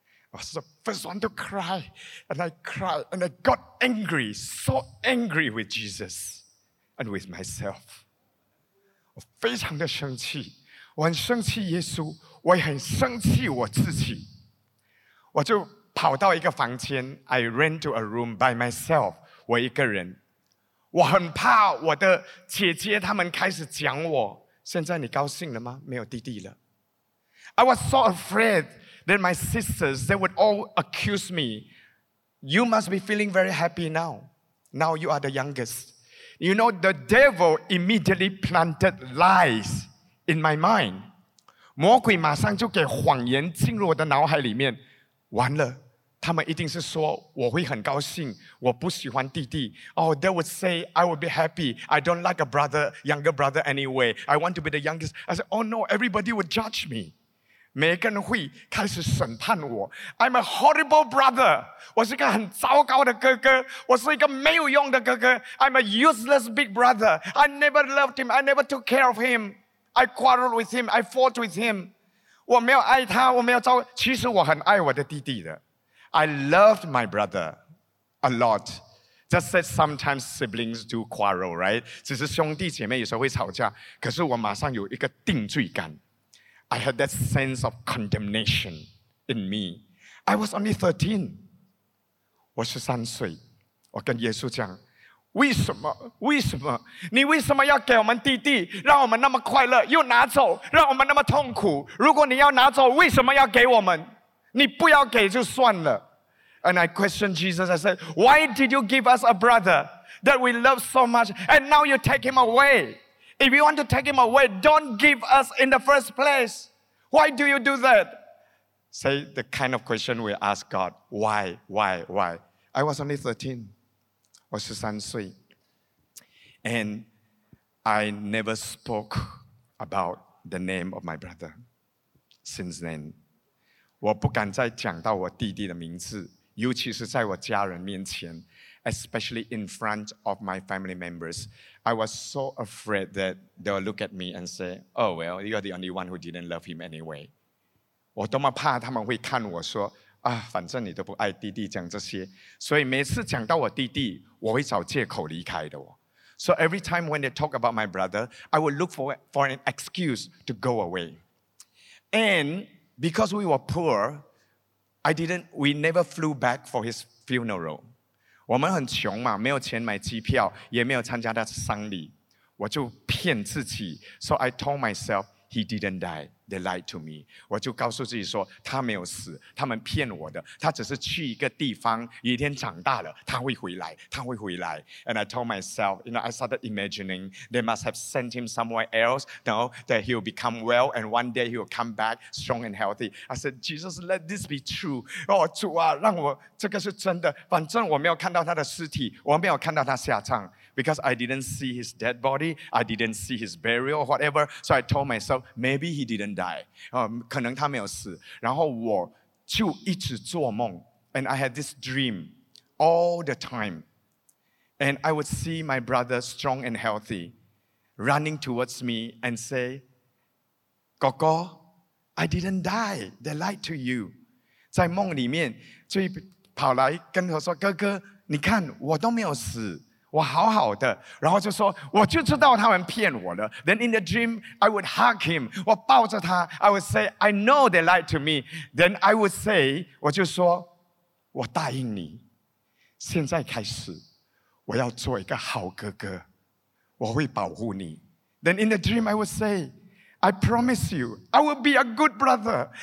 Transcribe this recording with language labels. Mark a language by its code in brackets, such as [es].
[en] I was the first one to cry, and I cried, and I got angry, so angry with Jesus and with myself. [zh] 我非常的生气，我很生气耶稣，我也很生气我自己。我就跑到一个房间 ， [en] I ran to a room by myself， [zh] 我一个人。我很怕我的姐姐他们开始讲我。现在你高兴了吗？没有弟弟了。 [en] I was so afraid that my sisters they would all accuse me. You must be feeling very happy now. Now you are the youngest. You know the devil immediately planted lies in my mind. [zh] 魔鬼马上就给谎言进入我的脑海里面。完了，他们一定是说我会很高兴，我不喜欢弟弟。 [en] Oh, they would say I would be happy. I don't like a brother, younger brother anyway. I want to be the youngest. I said, oh no, everybody would judge me. [zh] 每个人会开始审判我。 [en] I'm a horrible brother. [zh] 我是一个很糟糕的哥哥，我是一个没有用的哥哥。 [en] I'm a useless big brother. I never loved him. I never took care of him. I quarreled with him. I fought with him. [zh] 我没有爱他，我没有照顾。其实我很爱我的弟弟的。 [en] I loved my brother a lot. Just that sometimes siblings do quarrel, right? [zh] 只是兄弟姐妹有时候会吵架。可是我马上有一个定罪感。 [en] I had that sense of condemnation in me. I was only 13. [zh] 我十三岁。我跟耶稣讲，为什么？为什么？你为什么要给我们弟弟，让我们那么快乐，又拿走，让我们那么痛苦？如果你要拿走，为什么要给我们？你不要给就算了。 [en] And I questioned Jesus. I said, "Why did you give us a brother that we love so much, and now you take him away? If you want to take him away, don't give us in the first place. Why do you do that?" Say the kind of question we ask God. Why? Why? Why? I was only 13. [zh] 我十三岁 [en] and I never spoke about the name of my brother since then. [zh] 我不敢再讲到我弟弟的名字，尤其是在我家人面前。 [en] especially in front of my family members. I was so afraid that they'll look at me and say, oh, well, you're the only one who didn't love him anyway. [zh] 我多么怕他们会看我说, 啊,反正你都不爱弟弟讲这些, 所以每次讲到我弟弟, 我会找借口离开的哦。 [en] So every time when they talk about my brother, I would look for an excuse to go away. And because we were poor, we never flew back for his funeral. [zh] 我们很穷嘛, 没有钱买机票, 也没有参加他的丧礼, 我就骗自己, [en] so I told myself, he didn't die, they lied to me. [zh] 我就告诉自己说, 他没有死, 他们骗我的, 他只是去一个地方, 有一天长大了, 他会回来, 他会回来. [en] And I told myself, you know, I started imagining they must have sent him somewhere else, you know, that he'll become well and one day he'll come back strong and healthy. I said, Jesus, let this be true. [zh] Oh, 主啊, 让我, 这个是真的, 反正我没有看到他的尸体, 我没有看到他下葬。 [en] Because I didn't see his dead body, I didn't see his burial or whatever, so I told myself, maybe he didn't die. [zh] 可能他没有死. 然后我就一直做梦, [en] and I had this dream all the time. And I would see my brother, strong and healthy, running towards me and say, Gogo, I didn't die, they lied to you. [zh] 在梦里面, 就跑来跟我说, 你看,我都没有死。我好好的,然后就说,我就知道他们骗我了。 [en] Then in the dream, I would hug him, [zh] 我抱着他, [en] I would say, I know they lied to me. Then I would say, [zh] 我就说,我答应你, 现在开始, 我要做一个好哥哥, 我会保护你。 [en] Then in the dream, I would say, I promise you, I will be a good brother.